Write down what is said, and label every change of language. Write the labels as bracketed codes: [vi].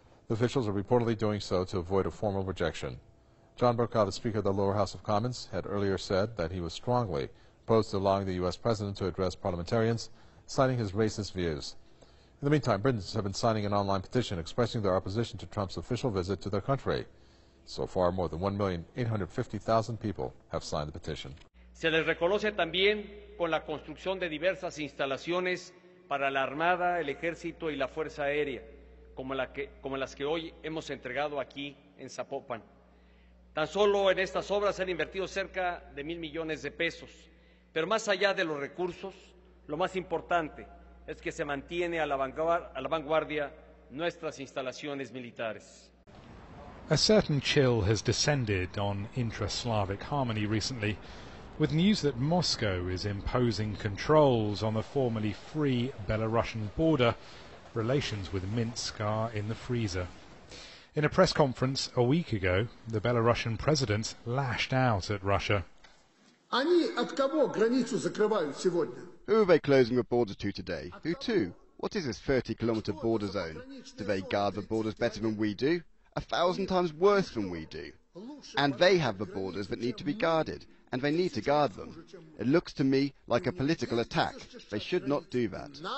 [en] The officials are reportedly doing so to avoid a formal rejection. John Bercow, the Speaker of the Lower House of Commons, had earlier said that he was strongly opposed to allowing the U.S. President to address parliamentarians, citing his racist views. In the meantime, Britons have been signing an online petition expressing their opposition to Trump's official visit to their country. So far, more than 1,850,000 people have signed the petition. [es] Se les reconoce también con la construcción de diversas instalaciones para la Armada, el Ejército y la Fuerza Aérea, como las que hoy hemos entregado aquí en Zapopan. Tan solo en estas obras se han invertido cerca de 1,000,000,000 pesos. Pero más allá de los recursos, lo más importante es que se mantiene a la vanguardia nuestras instalaciones militares. [en] A certain chill has descended on intra-Slavic harmony recently, with news that Moscow is imposing controls on the formerly free Belarusian border. Relations with Minsk are in the freezer. In a press conference a week ago, the Belarusian president lashed out at Russia. [ru] Они от кого границу закрывают сегодня? [en] Who are they closing the border to today? Who to? What is this 30-kilometre border zone? Do they guard the borders better than we do? 1,000 times worse than we do. And they have the borders that need to be guarded, and they need to guard them. It looks to me like a political attack. They should not do that.